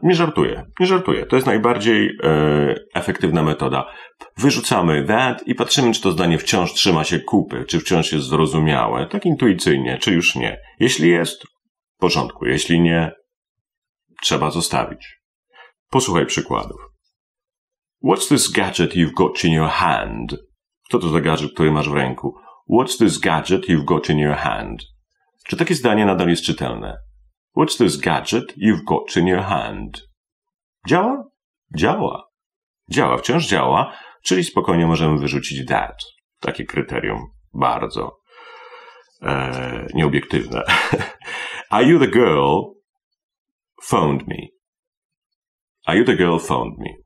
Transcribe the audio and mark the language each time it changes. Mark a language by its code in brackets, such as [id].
[pl] Nie żartuję. To jest najbardziej efektywna metoda. Wyrzucamy that i patrzymy, czy to zdanie wciąż trzyma się kupy, czy wciąż jest zrozumiałe, tak intuicyjnie, czy już nie. Jeśli jest, w porządku. Jeśli nie, trzeba zostawić. Posłuchaj przykładów. [en] What's this gadget you've got in your hand? [pl] Kto to za gadżet, który masz w ręku? [en] What's this gadget you've got in your hand? [pl] Czy takie zdanie nadal jest czytelne? [en] What's this gadget you've got in your hand? [pl] Działa? Działa. Działa, wciąż działa, czyli spokojnie możemy wyrzucić that. Takie kryterium bardzo nieobiektywne. [en] Are you the girl found me? Are you the girl found me?